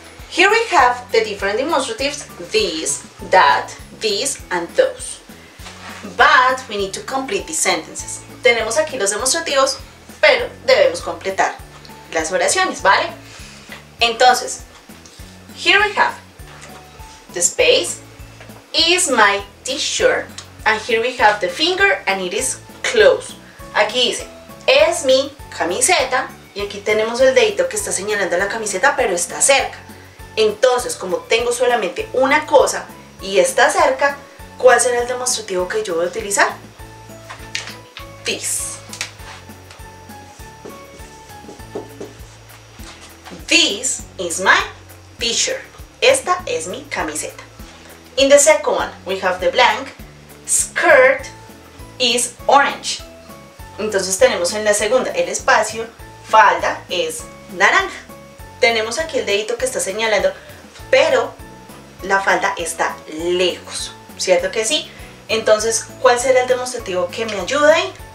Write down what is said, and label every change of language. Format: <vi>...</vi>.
<en>Here we have the different demonstratives, this, that, this, and those. But we need to complete these sentences.</en> <es>Tenemos aquí los demostrativos, pero debemos completar las oraciones, ¿vale?</es> <en>Entonces, here we have the space, is my t-shirt, and here we have the finger, and it is closed.</en> <es>Aquí dice, es mi camiseta, y aquí tenemos el dedito que está señalando la camiseta, pero está cerca. Entonces, como tengo solamente una cosa y está cerca, ¿cuál será el demostrativo que yo voy a utilizar?</es> <en>This. This is my t-shirt.</en> <es>Esta es mi camiseta.</es> <en>In the second one, we have the blank. Skirt is orange.</en> <es>Entonces tenemos en la segunda el espacio, falda es naranja. Tenemos aquí el dedito que está señalando, pero la falda está lejos, ¿cierto que sí? Entonces, ¿cuál será el demostrativo que me ayude ahí?</es>